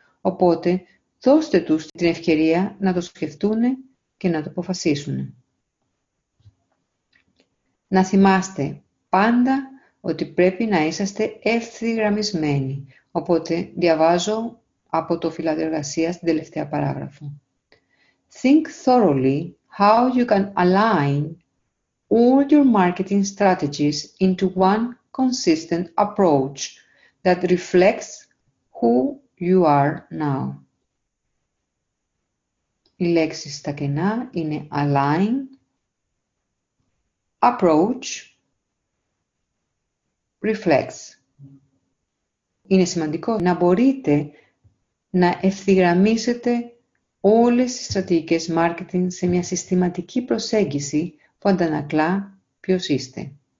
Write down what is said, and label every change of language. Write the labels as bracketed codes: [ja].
[el] Οπότε, δώστε τους την ευκαιρία να το σκεφτούν και να το αποφασίσουν. Να θυμάστε πάντα ότι πρέπει να είσαστε ευθυγραμμισμένοι. Οπότε, διαβάζω από το φυλάδιο εργασίας την τελευταία παράγραφο. [en] Think thoroughly how you can align all your marketing strategies into one consistent approach that reflects who you are now. [el] Οι λέξεις στα κενά είναι align, approach, reflects. Είναι σημαντικό να μπορείτε να ευθυγραμμίσετε όλες τις στρατηγικές marketing σε μια συστηματική προσέγγιση που αντανακλά ποιος είστε.